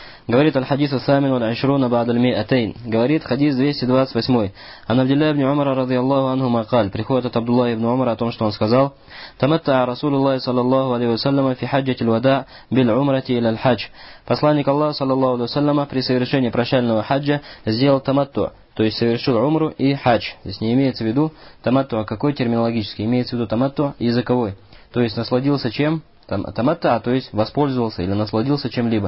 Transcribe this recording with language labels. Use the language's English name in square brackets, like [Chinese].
[Russian] Говорит [Arabic] الحديث الثامن والعشرون بعد المئتين. [Russian] Говорит хадис 228. [Arabic] عن عبد الله بن عمر رضي الله عنهما قال. [Russian] Приходит от Абдуллахи ибн Умара о том, что он сказал. [Arabic] Таматта رسول الله صلى الله عليه وسلم في حجة الوداع بالعمرة إلى الحج. [Russian] Посланник Аллаха [Arabic] صلى الله عليه وسلم [Russian] при совершении прощального хаджа сделал таматту, то есть совершил умру и хадж. Здесь не имеется в виду таматту, а какой терминологический? Имеется в виду таматту языковой. То есть насладился чем? Тамата, то есть воспользовался или насладился чем-либо.